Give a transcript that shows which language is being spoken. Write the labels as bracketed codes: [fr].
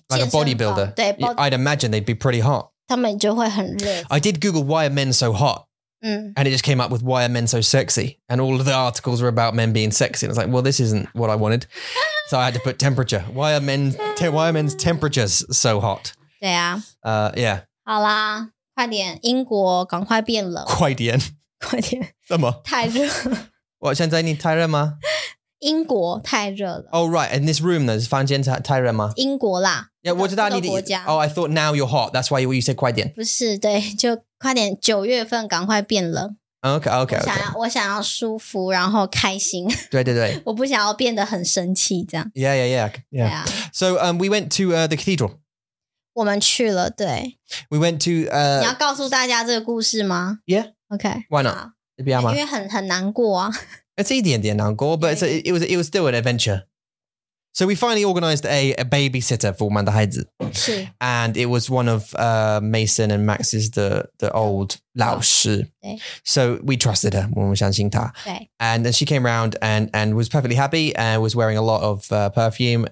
[en] like [zh] 健身 [en] a bodybuilder. [zh] 对 [en] I'd imagine they'd be pretty hot. [zh] 他们就会很热。 [en] I did Google why are men so hot,、 [zh] 嗯、 [en] and it just came up with why are men so sexy, and all of the articles were about men being sexy. And I was like, well, this isn't what I wanted, so I had to put temperature. Why are men's temperatures so hot? [zh] 对啊。 [en] Yeah. [zh] 好啦，快点，英国赶快变冷。快点，快点。什么？太热。我现在你太热吗？英国太热了。 [en] Oh right, in this room, though, is [zh] 房间太热吗？英国啦。 [en] Yeah, what did I need to eat? Oh, I thought now you're hot. That's why you said [zh] 快点。不是，对，就快点，九月份赶快变冷。 [en] Okay. [zh] 我想要舒服，然后开心。对对对。我不想要变得很生气，这样。 [en] Yeah. So, we went to the cathedral. [zh] 我们去了，对。 [en] We went to. [zh] 你要告诉大家这个故事吗 [en] ？Yeah. Okay. Why not? [zh] 你不要吗？因为很难过啊。 [en] It's [zh] 一点点难过 [en] ，but it was still an adventure. So we finally organized a babysitter for [zh] 我们的孩子. [en] And it was one of Mason and Max's, the old [zh] 老师. [en] So we trusted her, [zh] 我们相信她. [en] And then she came around and was perfectly happy and was wearing a lot of perfume.